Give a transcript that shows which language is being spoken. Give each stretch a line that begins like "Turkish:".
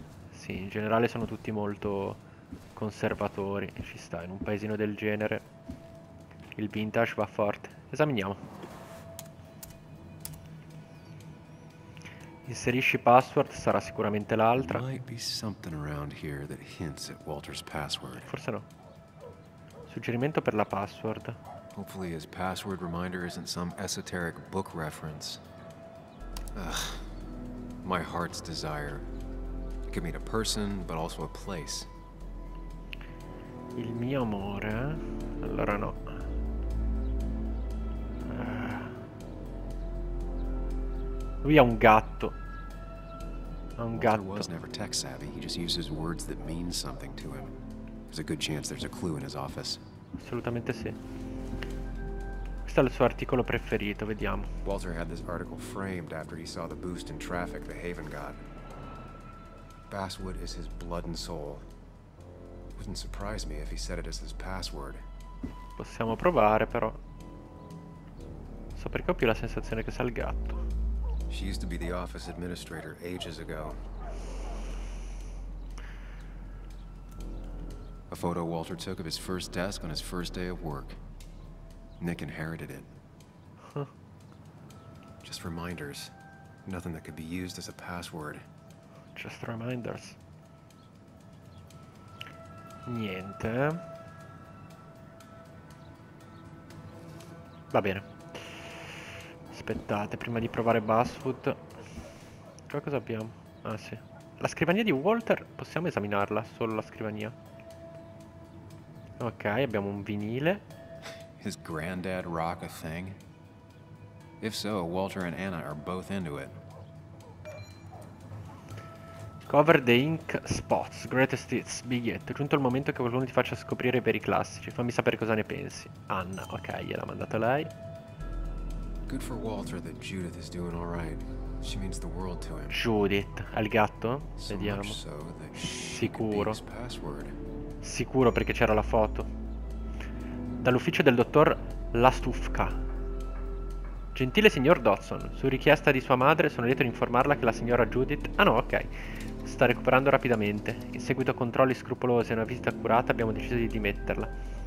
Italian: Sì, in generale sono tutti molto conservatori, ci sta, in un paesino del genere il vintage va forte. Esaminiamo. Inserisci password, sarà sicuramente l'altra.
English: Might be something around here that hints at Walter's password.
Italian: Forse no. Suggerimento per la password.
English: Hopefully his password reminder isn't some esoteric book reference. Ugh, my heart's desire. It could mean a person, but also a place.
Italian: Il mio amore, eh? Allora no. Lui ha un gatto. Ha un
English: Walter was
Italian: gatto.
English: never tech savvy. He just uses words that mean something to him. There's a good chance there's a clue in his office.
Italian: Assolutamente sì. Questo è il suo articolo preferito, vediamo.
English: Walter had this article framed after he saw the boost in traffic the Haven got. Basswood is his blood and soul. Wouldn't surprise me if he said it as his password.
Italian: Possiamo provare, però. Non so perché ho più la sensazione che sia il gatto.
English: She used to be the office administrator ages ago. A photo Walter took of his first desk on his first day of work. Nick inherited it. Just reminders. Nothing that could be used as a password. Just reminders.
Italian: Niente. Va bene. Aspettate, prima di provare Basswood. Cosa abbiamo? Ah sì. La scrivania di Walter, possiamo esaminarla, solo la scrivania. Ok, abbiamo un vinile.
English: His granddad rock a thing? If so, Walter and Anna are both into it.
Italian: Cover the ink spots, greatest hits, biglietto. È giunto il momento che qualcuno ti faccia scoprire i veri classici. Fammi sapere cosa ne pensi. Anna, ok, gliel'ha mandato lei.
English: Good for Walter that Judith is doing all right. She means the world to him.
Italian: Judith, al gatto?
English: So much
Italian: Vediamo.
English: so that she could be his
Italian: Sicuro.
English: password.
Italian: Sicuro perché c'era la foto. Dall'ufficio del dottor Lastufka. Gentile signor Dodson, su richiesta di sua madre sono lieto di informarla che la signora Judith. Ah no, ok. Sta recuperando rapidamente. In seguito a controlli scrupolosi e una visita accurata, abbiamo deciso di dimetterla.